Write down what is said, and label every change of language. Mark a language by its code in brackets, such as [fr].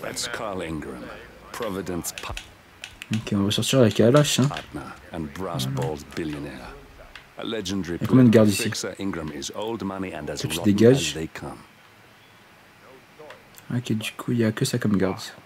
[en] That's Carl Ingram, Providence. [fr] Ok, on va sortir avec Alash, hein. [en] And brass balls billionaire. A legendary. [fr] Et combien de gardes ici? [en] Ingram is old money and as rotten as they come. [fr] Ok, du coup il y a que ça comme garde.